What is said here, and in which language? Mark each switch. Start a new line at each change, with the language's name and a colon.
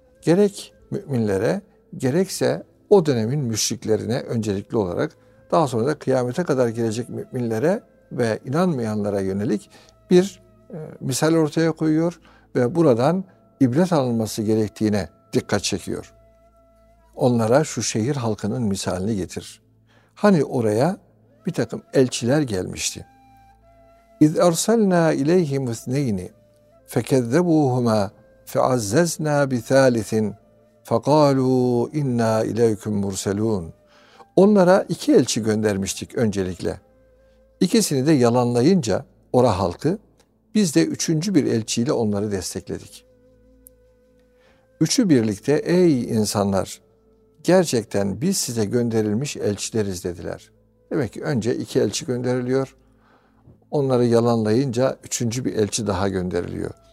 Turkish: gerek müminlere gerekse o dönemin müşriklerine öncelikli olarak, daha sonra da kıyamete kadar gelecek müminlere ve inanmayanlara yönelik bir misal ortaya koyuyor ve buradan ibret alınması gerektiğine dikkat çekiyor. Onlara şu şehir halkının misalini getir. Hani oraya bir takım elçiler gelmişti.
Arabic: اِذْ اَرْسَلْنَا اِلَيْهِمُ اثْنَيْنِ فَكَذَّبُوهُمَا فَعَزَّزْنَا بِثَالِثٍ فَقَالُوا اِنَّا اِلَيْكُمْ مُرْسَلُونَ
Turkish: Onlara iki elçi göndermiştik öncelikle. İkisini de yalanlayınca ora halkı, biz de üçüncü bir elçiyle onları destekledik. Üçü birlikte, ey insanlar, gerçekten biz size gönderilmiş elçileriz dediler. Demek ki önce iki elçi gönderiliyor. Onları yalanlayınca üçüncü bir elçi daha gönderiliyor.